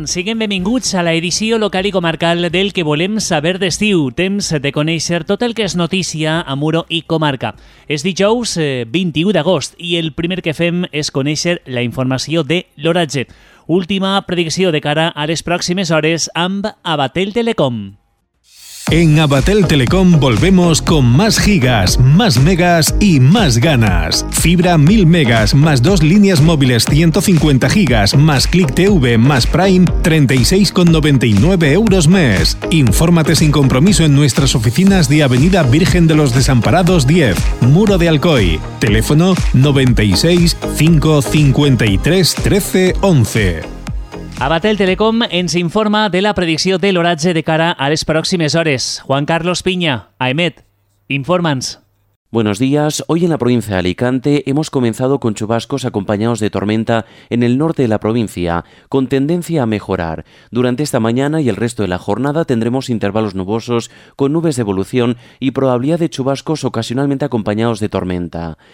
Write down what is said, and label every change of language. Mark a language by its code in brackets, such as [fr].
[ca] Siguem benvinguts a l'edició local i comarcal del que volem saber d'estiu. Temps de conèixer tot el que és notícia a Muro i comarca. És dijous 21 d'agost i el primer que fem és conèixer la informació de l'oratge. Última predicció de cara a les pròximes hores amb Abatel Telecom. [es] En Abatel Telecom volvemos con más gigas, más megas y más ganas. Fibra 1000 megas más dos líneas móviles 150 gigas más Click TV más Prime 36,99€ mes. Infórmate sin compromiso en nuestras oficinas de Avenida Virgen de los Desamparados 10, Muro de Alcoy. Teléfono 96 553 13 11. [ca] Abatel Telecom ens informa de la predicció de l'oratge de cara a les pròximes hores. Juan Carlos Piña, AEMET, informa'ns. [es] Buenos días. Hoy en la provincia de Alicante hemos comenzado con chubascos acompañados de tormenta en el norte de la provincia, con tendencia a mejorar. Durante esta mañana y el resto de la jornada tendremos intervalos nubosos con nubes de evolución y probabilidad de chubascos ocasionalmente acompañados de tormenta.